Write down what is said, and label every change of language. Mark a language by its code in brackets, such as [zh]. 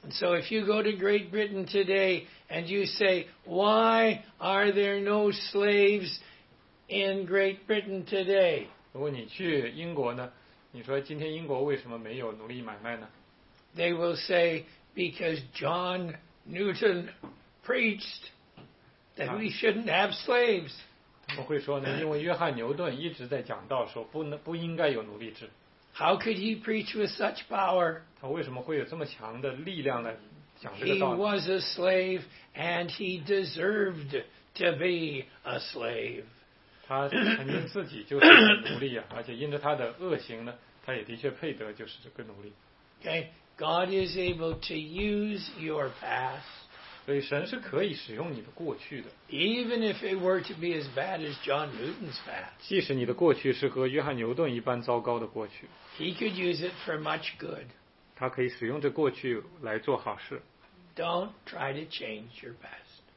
[en] So if you go to Great Britain today and you say, why are there no slaves in Great Britain today? [zh] 如果你去英国呢你说今天英国为什么没有奴隶买卖呢 [en] ?They will say, because John Newton,preached that we shouldn't have slaves. [zh] 他们会说呢，因为约翰牛顿一直在讲道说不应该有奴隶制。 [en] How could he preach with such power? [zh] 他为什么会有这么强的力量来 [en] He was a slave, and he deserved to be a slave. [zh] 他承认自己就是奴隶啊，而且因着他的恶行呢，他也的确配得就是这个奴隶。 [en] Okay, God is able to use your past. [zh] 所以神是可以使用你的过去的。 [en] Even if it were to be as bad as John Newton's past. [zh] 即使你的过去是和约翰牛顿一般糟糕的过去。 [en] He could use it for much good. [zh] 他可以使用这过去来做好事。 [en] Don't try to change your past.